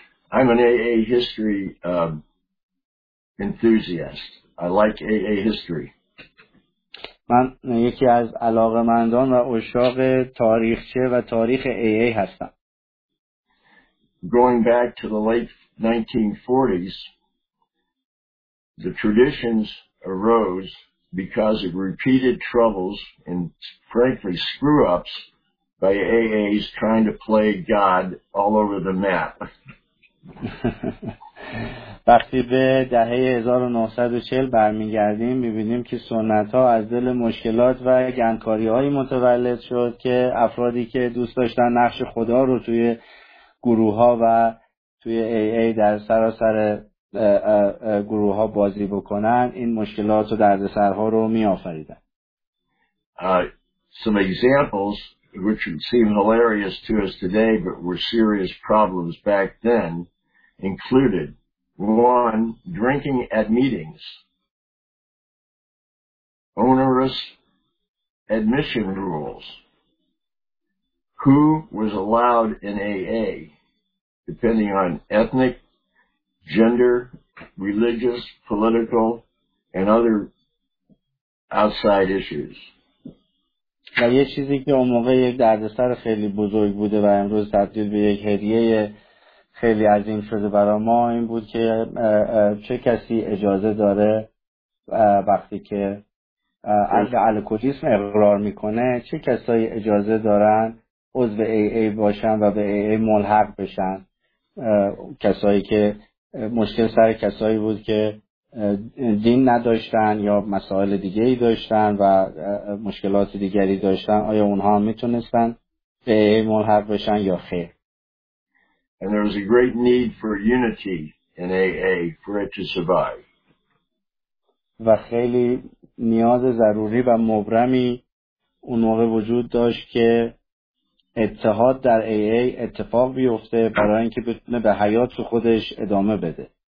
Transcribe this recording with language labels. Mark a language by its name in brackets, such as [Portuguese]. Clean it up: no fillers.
[English] I'm an AA history enthusiast. I like AA history. [Persian] من یکی از علاقه‌مندان و عشاق تاریخچه و تاریخ AA هستم. [English] Going back to the late 1940s, the traditions arose because of repeated troubles and frankly screw-ups by AAs trying to play God all over the map. [Persian] وقتی به دهه 1940 برمیگردیم میبینیم که سنت ها از دل مشکلات و گندکاری هایی متولد شد که افرادی که دوست داشتن نقش خدا رو توی گروه ها و توی AA در سراسر گروه ها بازی بکنن این مشکلات و دردسرها رو میآفریدن. [English] Some examples which would seem hilarious to us today but were serious problems back then included 1. Drinking at meetings. Onerous admission rules. Who was allowed in AA, depending on ethnic, gender, religious, political, and other outside issues. [Persian] و یه چیزی که اون موقع یک دردسر خیلی بزرگ بوده و امروز تبدیل به یک هدیه خیلی عظیم شده برای ما این بود که چه کسی اجازه داره وقتی که از الکولیسم اقرار میکنه چه کسایی اجازه دارن عضو AA باشن و به AA ملحق بشن. کسایی که مشکل سر کسایی بود که دین نداشتن یا مسائل دیگه ای داشتن و مشکلات دیگری داشتن آیا اونها میتونستن به AA ملحق بشن یا خیر. [English] And there was a great need for unity in AA for it to survive. [Persian] و خیلی نیاز ضروری و مبرمی اون موقع وجود داشت که اتحاد در AA اتفاق بیفته برای اینکه بتونه به حیات خودش ادامه بده.